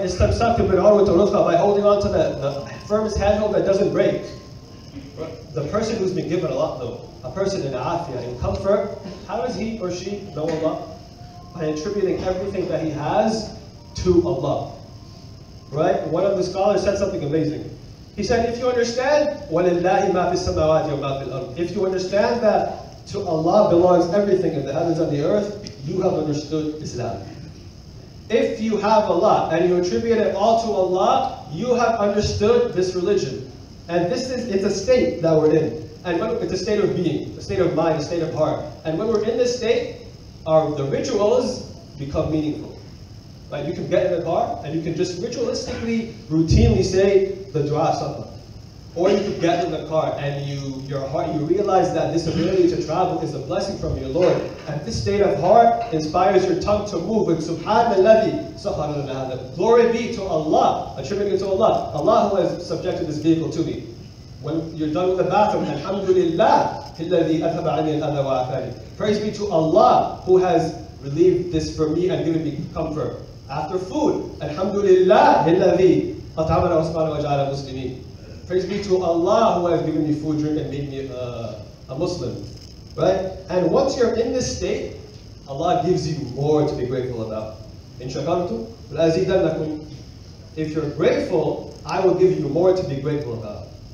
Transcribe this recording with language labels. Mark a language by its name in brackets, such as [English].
[Arabic] Istamsaktu bil urwati al-wuthqa, [English] by holding on to the firmest handhold that doesn't break. The person who's been given a lot though, a person in afia, in comfort, how does he or she know Allah? By attributing everything that he has to Allah, right? One of the scholars said something amazing. He said, if you understand, [Arabic] وَلِلَّهِ مَا فِي السَّمَوَاتِ وَمَا فِي الْأَرْضِ. [English] If you understand that to Allah belongs everything in the heavens and the earth, you have understood Islam. If you have Allah and you attribute it all to Allah, you have understood this religion. And this is, it's a state that we're in. And when, it's a state of being, a state of mind, a state of heart. And when we're in this state, the rituals become meaningful. Like you can get in the car and you can just ritualistically, routinely say the dua safa. Or you can get in the car and your heart realize that this ability to travel is a blessing from your Lord. And this state of heart inspires your tongue to move with Subhanallah, Subhanallah. Glory be to Allah, attributing it to Allah. Allah who has subjected this vehicle to me. When you're done with the bathroom, Alhamdulillah, [Arabic] الَّذِي أَثَبَ عَنِي الْأَذَى وَعَفَانِي. [English] Praise be to Allah who has relieved this for me and given me comfort. After food, [Arabic] Alhamdulillah, الَّذِي أَطْعَمَنَا وَسْقَانَا وَجَعَلَ مُسْلِمِينَ. [English] Praise be to Allah who has given me food, drink, and made me a Muslim. Right? And once you're in this state, Allah gives you more to be grateful about. [Arabic] إِنْ شَكَرْتُمْ لَأَزِيدَنَّكُمْ. [English] If you're grateful, I will give you more to be grateful about.